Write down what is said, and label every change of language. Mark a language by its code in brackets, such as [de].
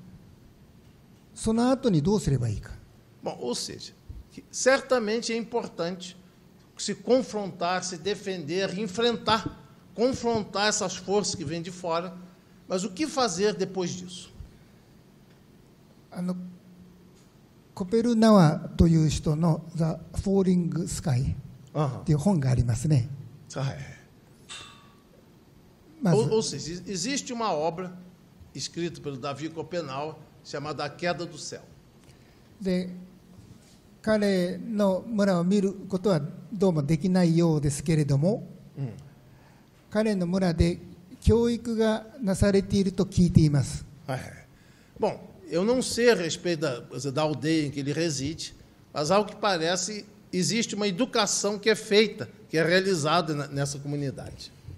[ja] すなわち外から来る力に対して戦う、これは大事ですが、その後にどうすればいいか。 [pt] Bom, ou seja, certamente é importante se confrontar, se defender, enfrentar, confrontar essas forças que vêm de fora, mas o que fazer depois disso? [ja] コペルナワという人の The Falling Sky という本がありますね。 [pt] Ou seja, existe uma obra escrita pelo Davi Kopenau chamada A Queda do Céu. [ja] De 彼の村を見ることはどうもできないようですけれども、彼の村で教育がなされていると聞いています。 [pt] Bom, eu não sei a respeito da aldeia em que ele reside, mas ao que parece, existe uma educação que é feita, que é realizada nessa comunidade.